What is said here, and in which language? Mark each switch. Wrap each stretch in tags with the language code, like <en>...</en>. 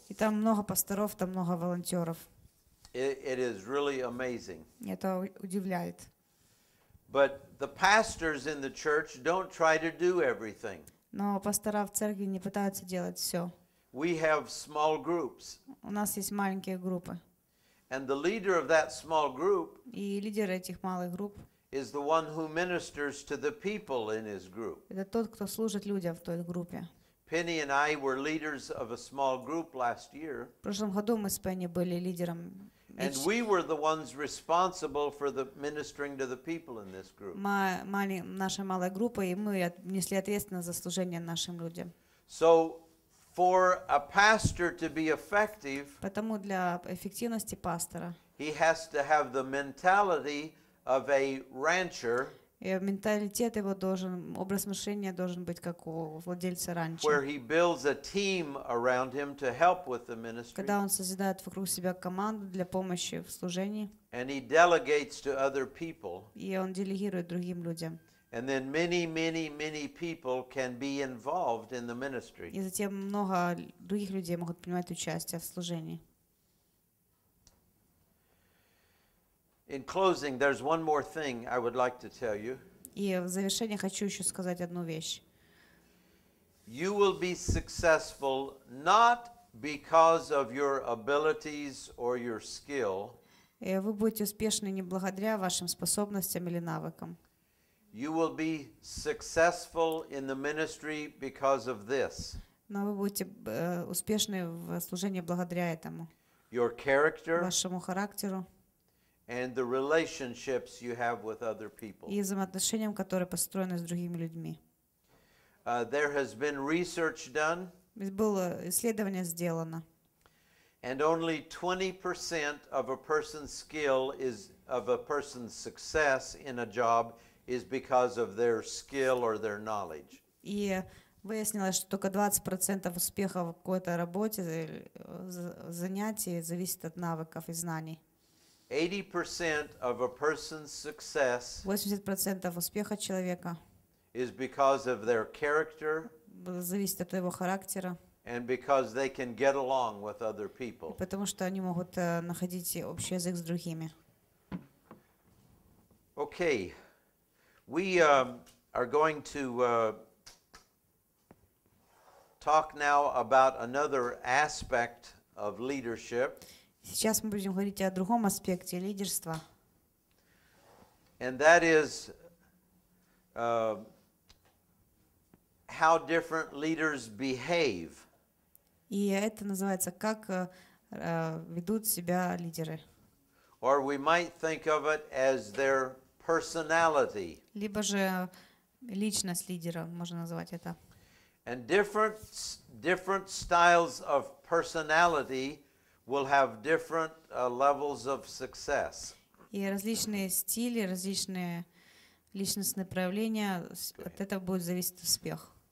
<ru>И там много пасторов, там много волонтеров.</ru> <en>It is really amazing.</en> <ru>Это удивляет.</ru> <en>But the pastors in the church don't try to do everything.</en> <ru>Но пастора в церкви не пытаются делать все.</ru> <en>We have small groups.</en> <ru>У нас есть маленькие группы.</ru> <en>And the leader of that small group.</en> <ru>И лидер этих малых групп.</ru> <en>Is the one who ministers to the people in his group.</en> <ru>Это тот, кто служит людям в той группе.</ru> <en>Penny and I were leaders of a small group last year.</en> <ru>В прошлом году мы с Пенни были лидером.</ru> <en>And we were the ones responsible for the ministering to the people in this group.</en> <ru>Наша малая группа, и мы несли ответственность за служение нашим людям.</ru> <en>So for a pastor to be effective,</en> <ru>потому для эффективности пастора,</ru> <en>he has to have the mentality of a rancher.</en> <ru>И менталитет его должен, образ мышления должен быть как у владельца ранчо.</ru> <en>Where he builds a team around him to help with the ministry.</en> <ru>Когда он создает вокруг себя команду для помощи в служении.</ru> <en>And he delegates to other people.</en> <ru>И он делегирует другим людям.</ru> <en>And then many, many, many people can be involved in the ministry.</en> <ru>И затем много других людей могут принимать участие в служении.</ru> <en>In closing, there's one more thing I would like to tell you.</en> <ru>И в завершение хочу еще сказать одну вещь.</ru> <en>You will be successful not because of your abilities or your skill.</en> <ru>И вы будете успешны не благодаря вашим способностям или навыкам.</ru> <en>You will be successful in the ministry because of this.</en> <ru>Но вы будете успешны в служении благодаря этому.</ru> <en>Your character.</en> <ru>Вашему характеру.</ru> <en>And the relationships you have with other people.</en> <ru>И взаимоотношениям, которые построены с другими людьми.</ru> <en>There has been research done.</en> <ru>Было исследование сделано.</ru> <en>And only 20% of a person's skill is of a person's success in a job is because of their skill or their knowledge.</en> <ru>И выяснилось, что только 20% успеха в какой-то работе, занятии зависит от навыков и знаний.</ru> <en>80% of a person's success</en> <ru>80% успеха человека</ru> <en>is because of their character</en> <ru>зависит от его характера</ru> <en>and because they can get along with other people.</en> <ru>Потому что они могут находить общий язык с другими.</ru> <en>Okay. We are going to talk now about another aspect of leadership.</en> <ru>Сейчас мы будем говорить о другом аспекте лидерства.</ru> <en>And that is how different leaders behave.</en> <ru>И это называется, как ведут себя лидеры.</ru> <en>Or we might think of it as their personality.</en> <ru>Либо же личность лидера, можно назвать это.</ru> <en>And different styles of personality will have different levels of success.</en> <ru>И различные стили, различные личностные проявления, от этого будет зависеть успех.</ru>